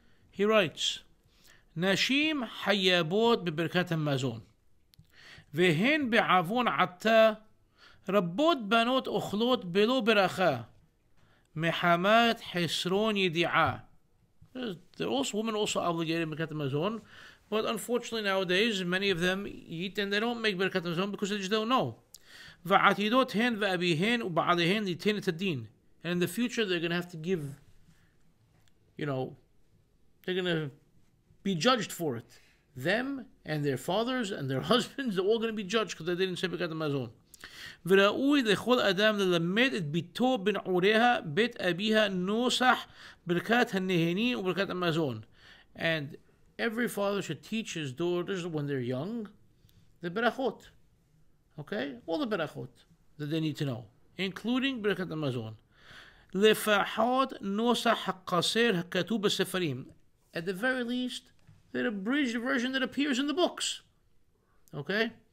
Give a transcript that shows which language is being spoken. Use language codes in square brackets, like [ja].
[en] He writes, [he] נשים חייבות בברכת המזון, והן בעוון עתה, רבות בנות אוכלות בלא ברכה, מחמת חסרון ידיעה. [en] Women also obligated to ברכת המזון, but unfortunately nowadays, many of them eat and they don't make ברכת המזון because they just don't know. [he] ועתידות הן ואביהן ובעליהן ליתן את הדין. [en] And in the future, they're going to have to give, be judged for it. Them and their fathers and their husbands, they're all going to be judged because they didn't say Birkat HaMazon. [he] וראוי לכל אדם ללמד את ביתו בנעוריה בית אביה נוסח ברכת הנהני וברכת המזון. [en] And every father should teach his daughters when they're young the ברכות. Okay? All the ברכות that they need to know, including Birkat HaMazon. [he] lefahad nosah hakaser hakatub haSefarim. [en] At the very least, the abridged version that appears in the books. Okay.